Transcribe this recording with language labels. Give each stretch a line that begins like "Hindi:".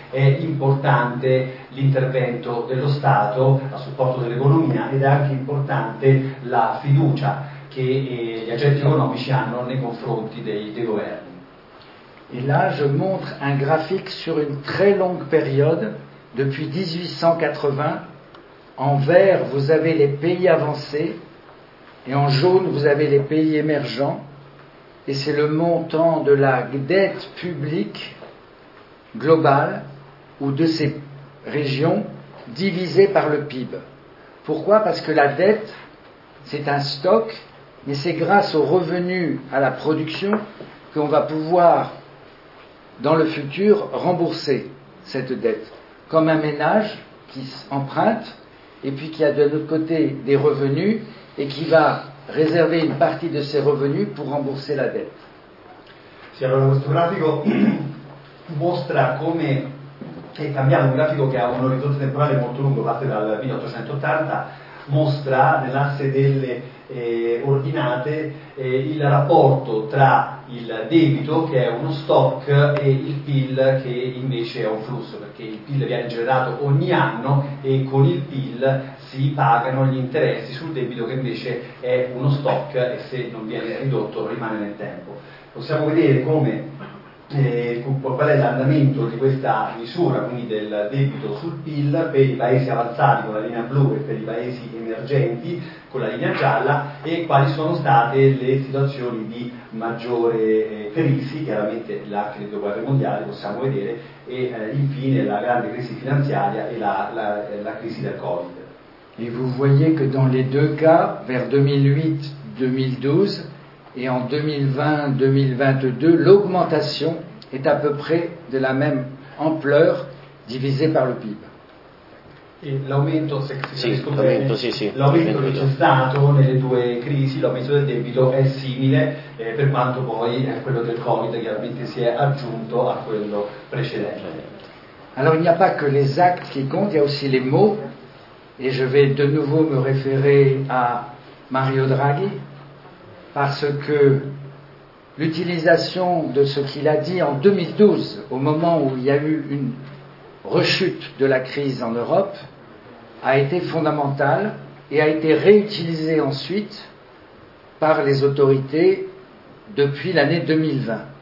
Italian: è importante l'intervento dello Stato a supporto dell'economia ed è anche importante la fiducia che gli agenti economici hanno nei confronti dei governi.
French: Et là, je montre un graphique sur une très longue période, depuis 1880. En vert, vous avez les pays avancés, et en jaune, vous avez les pays émergents. Et c'est le montant de la dette publique globale, ou de ces régions, divisé par le PIB. Pourquoi ? Parce que la dette, c'est un stock. Mais c'est grâce aux revenus à la production qu'on va pouvoir, dans le futur, rembourser cette dette. Comme un ménage qui emprunte et puis qui a de l'autre côté des revenus et qui va réserver une partie de ses revenus pour rembourser la dette.
Italian: Sì, allora questo grafico mostra come è cambiato, un grafico che ha un orizzonte temporale molto lungo, parte dal 1880, mostra nell'asse delle ordinate il rapporto tra il debito, che è uno stock, e il PIL, che invece è un flusso, perché il PIL viene generato ogni anno e con il PIL si pagano gli interessi sul debito, che invece è uno stock e se non viene ridotto rimane nel tempo. Possiamo vedere come qual è l'andamento di questa misura, quindi del debito sul PIL per i paesi avanzati con la linea blu e per i paesi emergenti con la linea gialla, e quali sono state le situazioni di maggiore crisi, chiaramente la credito guerra mondiale possiamo vedere, e infine la grande crisi finanziaria e la crisi del Covid.
French: Et vous voyez que dans les deux cas, vers 2008-2012 et en 2020-2022, l'augmentation est à peu près de la même ampleur divisée par le PIB. Et
Italian: l'aumento, se l'aumento, l'aumento che c'è stato nelle due crisi, l'aumento del debito è simile per quanto poi è quello del Covid chiaramente si è aggiunto a quello precedente.
French: Alors il n'y a pas que les actes qui comptent, il y a aussi les mots. Et je vais de nouveau me référer à Mario Draghi, parce que l'utilisation de ce qu'il a dit en 2012, au moment où il y a eu une rechute de la crise en Europe, a été fondamentale et a été réutilisée ensuite par les autorités depuis l'année 2020.